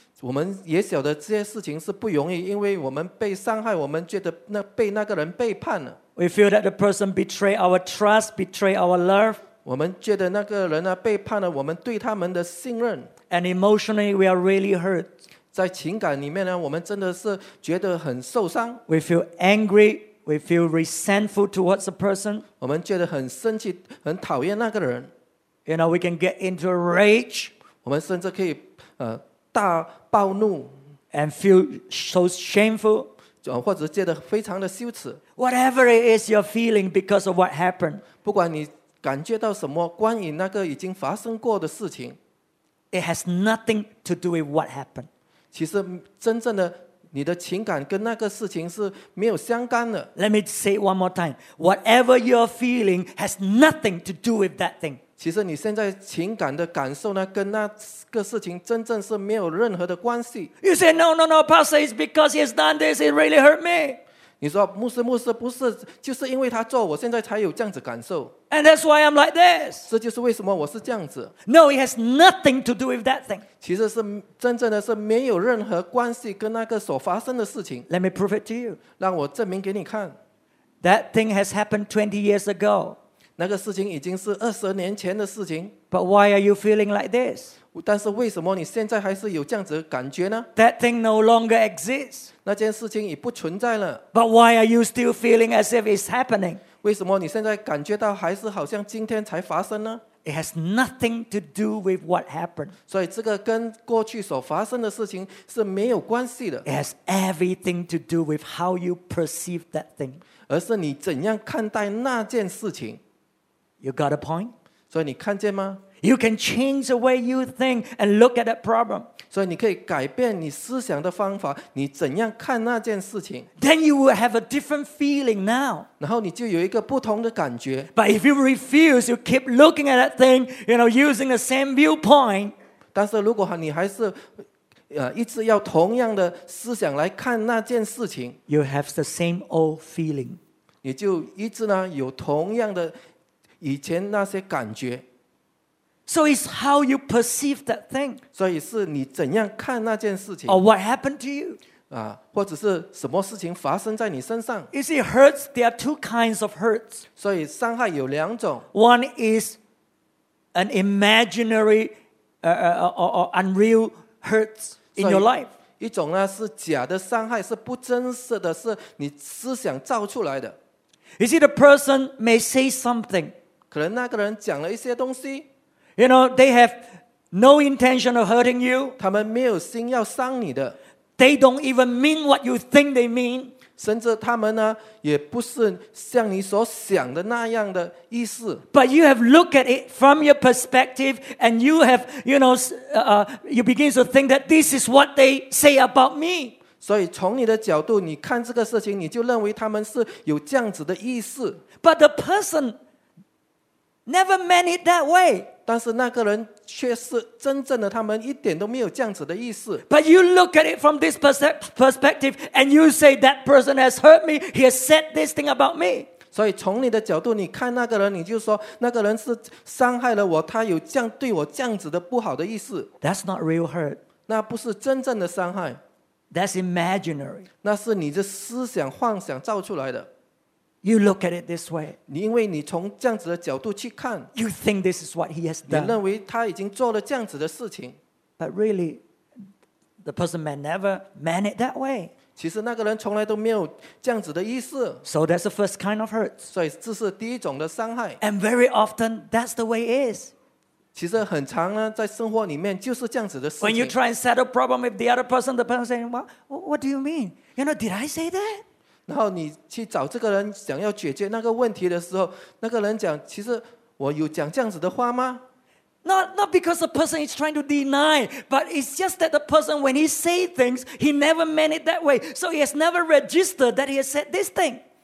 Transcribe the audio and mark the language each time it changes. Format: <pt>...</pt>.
<zh>我们也晓得这些事情是不容易，因为我们被伤害，我们觉得那被那个人背叛了。</zh> <en>We feel that the person betrayed our trust, betrayed our love.</en> <zh>我们觉得那个人呢背叛了我们对他们的信任。</zh> <en>And emotionally, we are really hurt.</en> <zh>在情感里面呢，我们真的是觉得很受伤。</zh> <en>We feel angry. We feel resentful towards a person.</en> <zh>我们觉得很生气，很讨厌那个人。</zh> <en>You know, we can get into a rage.</en> <zh>我们甚至可以大暴怒。</zh> <en>And feel so shameful.</en> <zh>或者觉得非常的羞耻。</zh> <en>Whatever it is you're feeling because of what happened.</en> <zh>不管你感觉到什么，关于那个已经发生过的事情。</zh> <en>It has nothing to do with what happened.</en> <zh>其实真正的你的情感跟那个事情是没有相干的。</zh> <en>Let me say it one more time. Whatever you're feeling has nothing to do with that thing.</en> <zh>其实你现在情感的感受呢，跟那个事情真正是没有任何的关系。</zh> <en>You say, no, no, no, Pastor, it's because he has done this, it really hurt me.</en> <zh>你说，牧师，牧师，不是，就是因为他做，我现在才有这样子感受。</zh> <en>And that's why I'm like this.</en> <zh>这就是为什么我是这样子。</zh> <en>No, it has nothing to do with that thing.</en> <zh>其实是真正的是没有任何关系跟那个所发生的事情。</zh> <en>Let me prove it to you.</en> <zh>让我证明给你看。</zh> <en>That thing has happened 20 years ago.</en> <zh>那个事情已经是20年前的事情。</zh> <en>But why are you feeling like this?</en> <zh>但是为什么你现在还是有这样子的感觉呢？</zh> <en>That thing no longer exists.</en> <zh>那件事情已不存在了。</zh> <en>But why are you still feeling as if it's happening?</en> <zh>为什么你现在感觉到还是好像今天才发生呢？</zh> <en>It has nothing to do with what happened.</en> <zh>所以这个跟过去所发生的事情是没有关系的。</zh> <en>It has everything to do with how you perceive that thing.</en> <zh>而是你怎样看待那件事情。</zh> <en>You got a point?</en> <zh>所以你看见吗？</zh> <en>You can change the way you think and look at that problem.</en> <zh>所以你可以改变你思想的方法，你怎样看那件事情。</zh> <en>Then you will have a different feeling now.</en> <zh>然后你就有一个不同的感觉。</zh> <en>But if you refuse, you keep looking at that thing, you know, using the same viewpoint.</en> <zh>但是如果你还是一直要同样的思想来看那件事情，</zh> <en>you have the same old feeling.</en> <zh>你就一直呢有同样的以前那些感觉。</zh> <en>So it's how you perceive that thing.</en> <zh>所以是你怎样看那件事情。</zh> <en>Or what happened to you.</en> <zh>或者是什么事情发生在你身上。</zh> <en>You see, hurts, there are two kinds of hurts.</en> <zh>所以伤害有两种。</zh> <en>One is an imaginary or unreal hurts in your life.</en> <zh>一种呢是假的伤害，是不真实的，是你思想造出来的。</zh> <en>You see, the person may say something.</en> <zh>可能那个人讲了一些东西。</zh> <en>You know, they have no intention of hurting you.</en> <zh>他们没有心要伤你的。</zh> <en>They don't even mean what you think they mean.</en> <zh>甚至他们呢，也不是像你所想的那样的意思。</zh> <en>But you have looked at it from your perspective, and you have, you know, you begin to think that this is what they say about me.</en> <zh>所以从你的角度，你看这个事情，你就认为他们是有这样子的意思。</zh> <en>But the person never meant it that way.</en> <zh>但是那个人却是真正的，他们一点都没有这样子的意思。</zh> <en>But you look at it from this perspective, and you say that person has hurt me. He has said this thing about me.</en> <zh>所以从你的角度，你看那个人，你就说那个人是伤害了我，他有这样对我这样子的不好的意思。</zh> <en>That's not real hurt.</en> <zh>那不是真正的伤害。</zh> <en>That's imaginary.</en> <zh>那是你的思想幻想造出来的。</zh> <en>You look at it this way.</en> <zh>因为你从这样子的角度去看，</zh> <en>you think this is what he has done.</en> <zh>你认为他已经做了这样子的事情。</zh> <en>But really, the person may never mean it that way.</en> <zh>其实那个人从来都没有这样子的意思。</zh> <en>So that's the first kind of hurt.</en> <zh>所以这是第一种的伤害。</zh> <en>And very often, that's the way it is.</en> <zh>其实很常呢，在生活里面就是这样子的事情。</zh> <en>When you try and settle a problem with the other person, the person saying, well, what do you mean? You know, did I say that?</en> <zh>然后你去找这个人想要解决那个问题的时候，那个人讲，其实我有讲这样子的话吗？</zh> <en>Not because the person is trying to deny, but it's just that the person, when he say things, he never meant it that way. So he has never registered that he has said this thing.</en>